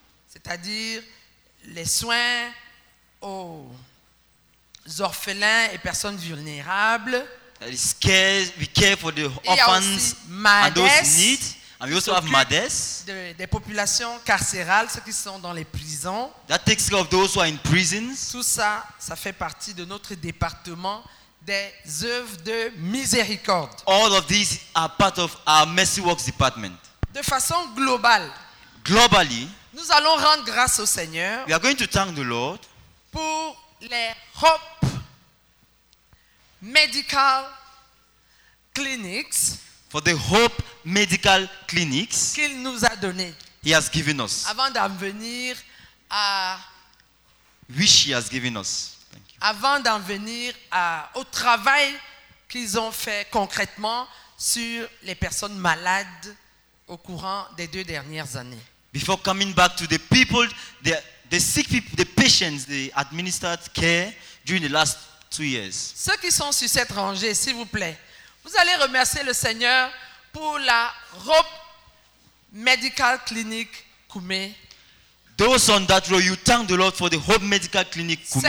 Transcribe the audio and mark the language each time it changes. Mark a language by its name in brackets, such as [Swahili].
[French] C'est-à-dire les soins aux orphelins et personnes vulnérables. [English] We care for the orphans and those in need. And we also have MADES. [French] Des populations carcérales, ceux qui sont dans les prisons. [English] That takes care of those who are in prisons. [French] Tout ça, ça fait partie de notre département. Des œuvres de miséricorde. [English] All of these are part of our Mercy Works Department. [French] De façon globale. [English] Globally. [French] Nous allons rendre grâce au Seigneur. [English] We are going to thank the Lord. [French] Pour les Hope Medical Clinics. [English] For the Hope Medical Clinics. [French] Qu'il nous a donné. [English] He has given us. [French] Avant d'en venir à. [English] Which he has given us. [French] Avant d'en venir au travail qu'ils ont fait concrètement sur les personnes malades au courant des deux dernières années. [English] Before coming back to the people, the sick people, the patients, the administered care during the last 2 years. [French] Ceux qui sont sur cette rangée, s'il vous plaît, vous allez remercier le Seigneur pour la Hope Medical Clinic Koumé. [English] Those on that row, you thank the Lord for the Hope Medical Clinic Koumé.